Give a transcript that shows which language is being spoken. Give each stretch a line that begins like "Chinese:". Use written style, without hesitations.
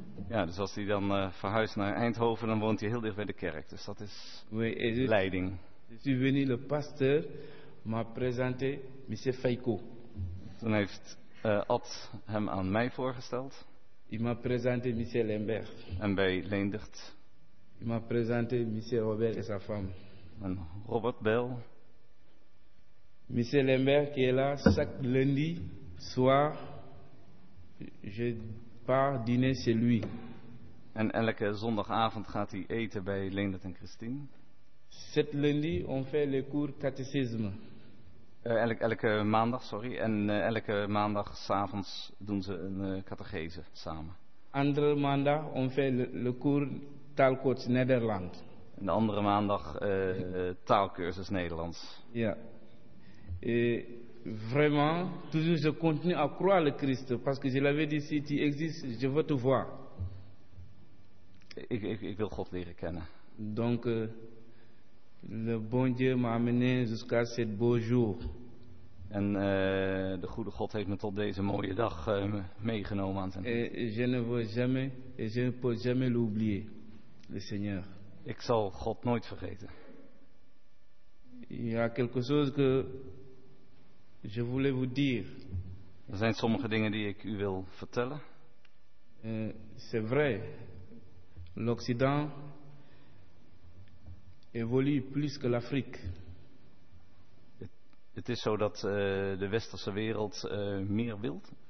Dutch: Ja, dus als hij dan verhuist naar Eindhoven, dan woont hij heel dicht bij de kerk. Dus dat is leiding.
French: Je suis venu le pasteur. M'a présenté monsieur Feiko.
Dutch: Toen heeft Ad hem aan mij voorgesteld.
French: Il m'a présenté monsieur Lemberg.
Dutch: En bij Leendert.
French: Il m'a présenté monsieur Robert et sa femme.
Dutch: En Robert Bell.
French: Monsieur Lemberg qui est là chaque lundi soir. Je pars dîner chez lui.
Dutch: En elke zondagavond gaat hij eten bij Leendert en Christine.
French: Cet lundi, on fait le cours catéchisme.
Dutch: Elke maandagavond doen ze een catechese samen. Andere maandag,
French: on fait le cours Talcoach Nederland.
Dutch: En de andere maandag taalkursus Nederlands. Ja.
French: Vraiment, toujours je continue à croire le Christ, parce que je l'avais dit, si tu existes, je veux te voir.
Dutch: Ik wil God leren kennen.
French: Donc, le bon Dieu m'a amené jusqu'à ce beau jour.
Dutch: En de goede God heeft me tot deze mooie dag meegenomen aan zijn.
French: Je ne veux jamais, et je ne peux jamais l'oublier, le Seigneur.
Dutch: Ik zal God nooit vergeten.
French: Ja, quelque chose que je voulais vous dire.
Dutch: Er zijn sommige dingen die ik u wil vertellen.
French: C'est vrai. L'Occident évolue plus que l'Afrique.
Dutch: Het is zo dat de westerse wereld meer wil.